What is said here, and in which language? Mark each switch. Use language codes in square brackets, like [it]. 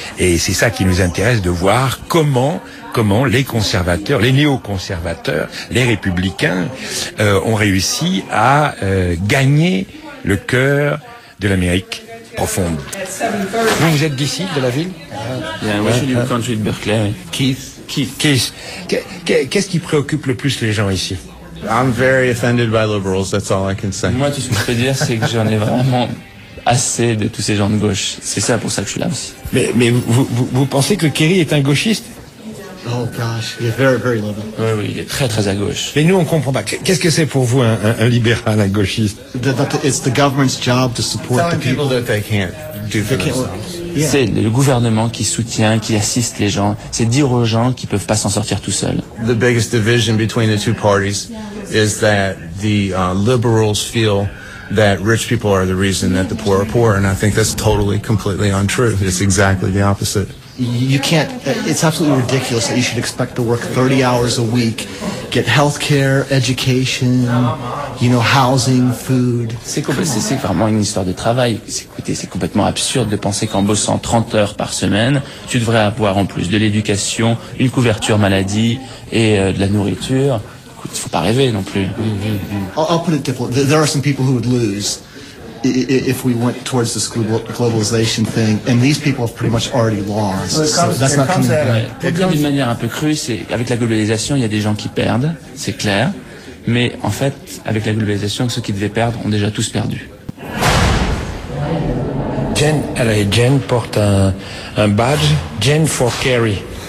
[fr] Et c'est ça qui nous intéresse, de voir comment les conservateurs, les néo-conservateurs, les républicains ont réussi à gagner le cœur de l'Amérique profonde. Vous êtes d'ici, de la ville? Moi, je suis du country de Berkeley. Oui. Keith. Qu'est-ce qui préoccupe le plus les gens ici? [en] I'm very offended by liberals, that's all I can say. [fr] Moi, tout ce que je peux dire, c'est que j'en ai vraiment assez de tous ces gens de gauche. C'est ça, pour ça que je suis là aussi. Mais vous pensez que Kerry est un gauchiste? [en] Oh gosh, you're very, very liberal. [fr] Oui, il est très, très à gauche. Mais nous, on comprend pas. Qu'est-ce que c'est pour vous, un libéral, un gauchiste? [en] It's the government's job to support the people. Telling people that they can't do for themselves. [fr] C'est le gouvernement qui soutient, qui assiste les gens. C'est dire aux gens qu'ils peuvent pas s'en sortir tout seuls. [en] The biggest division between the two parties is that the liberals feel that rich people are the reason that the poor are poor, and I think that's totally, completely untrue. It's exactly the opposite. You can't, it's absolutely ridiculous that you should expect to work 30 hours a week, get health care, education, you know, housing, food. [fr] C'est vraiment une histoire de travail. C'est complètement absurde de penser qu'en bossant 30 heures par semaine, tu devrais avoir en plus de l'éducation, une couverture maladie et de la nourriture. Écoute, il ne faut pas rêver non plus. [en] I'll put it differently. There are some people who would lose if we went towards this globalization thing, and these people have pretty much already lost. So that's not coming back. [fr] Pour dire d'une manière un peu crue, c'est avec la globalisation, il y a des gens qui perdent, c'est clair. Mais en fait, avec la globalisation, ceux qui devaient perdre ont déjà tous perdu. Jen porte un badge, Jen for Kerry.